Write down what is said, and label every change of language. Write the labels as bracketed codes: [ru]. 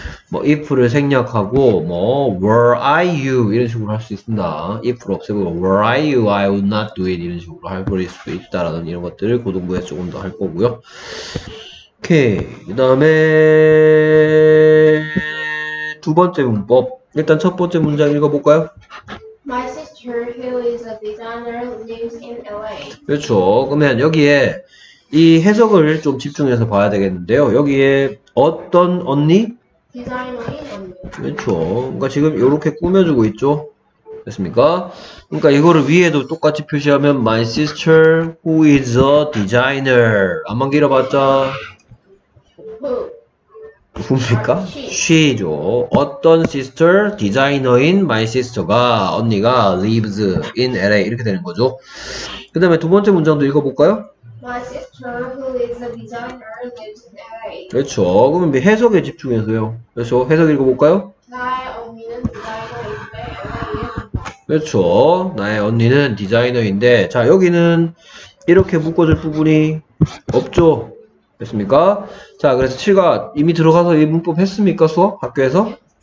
[ko] 뭐 if를 생략하고 뭐 [en] were I you [ko] 이런 식으로 할 수 있습니다. if를 없애고 [en] were I you I would not do it [ko] 이런 식으로 할 수 있다라는 이런 것들을 고등부에 조금 더 할 거고요. 오케이. 그 다음에 두 번째 문법. 일단 첫 번째 문장 읽어볼까요? [en] My sister, who is a designer, lives in LA. [ko] 그렇죠. 그러면 여기에 이 해석을 좀 집중해서 봐야 되겠는데요. 여기에 어떤 언니? 디자이너인 언니. 그렇죠. 그러니까 지금 이렇게 꾸며주고 있죠. 됐습니까? 그러니까 이거를 위에도 똑같이 표시하면 [en] My sister, who is a designer. [ko] 안만 길어봤자. [en] Who? [ko] 뭡니까? She죠. 어떤 sister, 디자이너인 my sister가, 언니가 [en] lives in LA [ko] 이렇게 되는 거죠. 그 다음에 두 번째 문장도 읽어볼까요? [en] My sister who is a designer lives in LA. [ko] 그렇죠. 그럼 해석에 집중해서요. 그래서 해석 읽어볼까요? 나의 언니는 디자이너인데. 그렇죠. 나의 언니는 디자이너인데. 자, 여기는 이렇게 묶어줄 부분이 없죠. 됐습니까? 자, 그래서 7가 이미 들어가서 이 문법 했습니까? 수업? 학교에서?